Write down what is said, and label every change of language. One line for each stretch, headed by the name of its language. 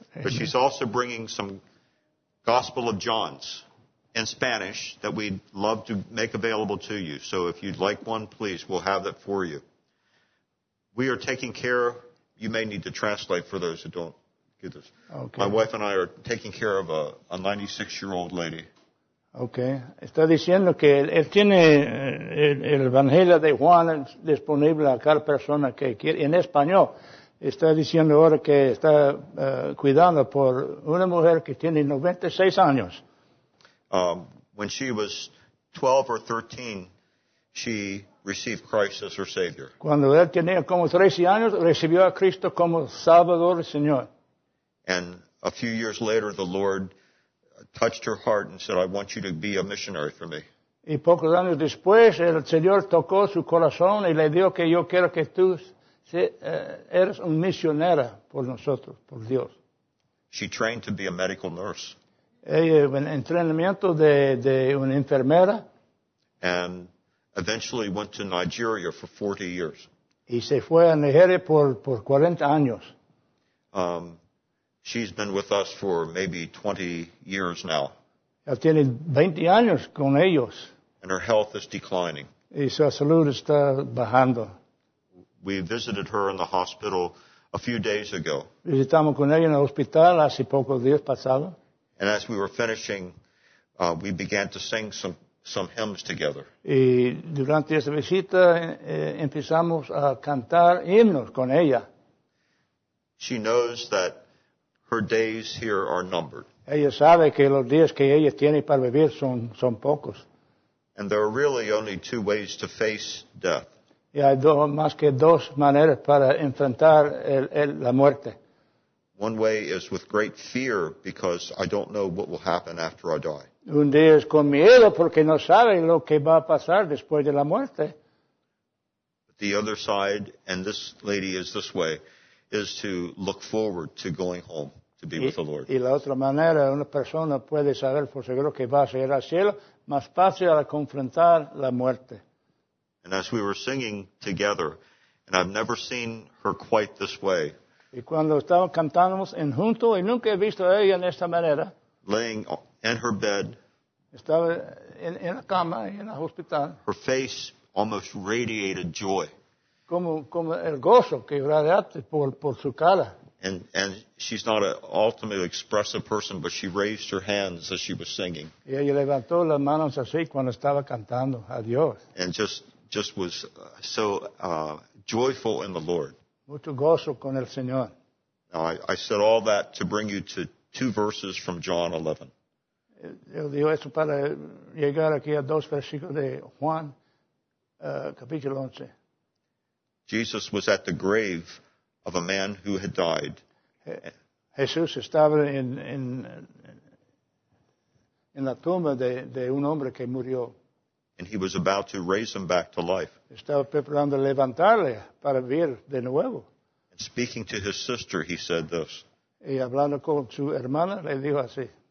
English: But she's also bringing some Gospel of John's in Spanish that we'd love to make available to you. So if you'd like one, please, we'll have that for you. We are taking care. You may need to translate for those who don't get this. Okay. My wife and I are taking care of a 96-year-old lady.
Spanish: Okay, está diciendo que él tiene el Evangelio de Juan disponible a cada persona que quiere, en español. Está diciendo ahora que está cuidando por una mujer que tiene 96 años.
English: When she was 12 or 13, she received Christ as her Savior.
Spanish: Cuando él tenía como 13 años, recibió a Cristo como Salvador y Señor.
English: And a few years later, the Lord touched her heart and said, I want you to be a missionary for me.
Spanish: Y pocos años después, el Señor tocó su corazón y le dijo que yo quiero que tú eres un misionera por nosotros, por Dios.
English: She trained to be a medical nurse.
Spanish: Ella en entrenamiento de una enfermera.
English: And eventually went to Nigeria for 40 years.
Spanish: Y se fue a Nigeria por 40 años.
English: She's been with us for maybe 20 years now.
Spanish: Ya tiene 20 años con ellos.
English: And her health is declining.
Spanish: Y su salud está bajando.
English: We visited her in the hospital a few days ago.
Spanish: Visitamos con ella en el hospital hace pocos días pasado.
English: And as we were finishing, we began to sing some hymns together.
Spanish: Y durante esa visita empezamos a cantar himnos con ella.
English: She knows that her days here are numbered.
Spanish: Ella sabe que los días que ella tiene para vivir son pocos.
English: And there are really only two ways to face death.
Spanish: Y hay más que dos maneras para enfrentar la muerte.
English: One way is with great fear because I don't know what will happen after I die.
Spanish: Un día es con miedo porque no sabe lo que va a pasar después de la muerte.
English: But the other side, and this lady is this way, is to look forward to going home to be with the Lord.
Spanish: Y la otra manera, una persona puede saber por seguro que va a ir al cielo, más fácil a confrontar la muerte.
English: And as we were singing together, and I've never seen her quite this way.
Spanish: Y cuando estábamos cantando en junto, y nunca he visto a ella en esta manera.
English: Laying in her bed.
Spanish: Estaba en la cama en el hospital.
English: Her face almost radiated joy.
Spanish: Como el gozo que radiaste por su cara.
English: and she's not an ultimately expressive person, but she raised her hands as she was singing.
Spanish: Y ella levantó las manos así cuando estaba cantando a Dios.
English: And just was so joyful in the Lord.
Spanish: Mucho gozo con el Señor.
English: I said all that to bring you to two verses from John 11.
Spanish: Yo digo eso para llegar aquí a dos versículos de Juan, capítulo 11.
English: Jesus was at the grave of a man who had died.
Spanish: Jesús estaba en la tumba de un hombre que murió.
English: And he was about to raise him back to life.
Spanish: Estaba preparando levantarle para vivir de nuevo.
English: And speaking to his sister, he said this.
Spanish: Y hablando con su hermana, le dijo así.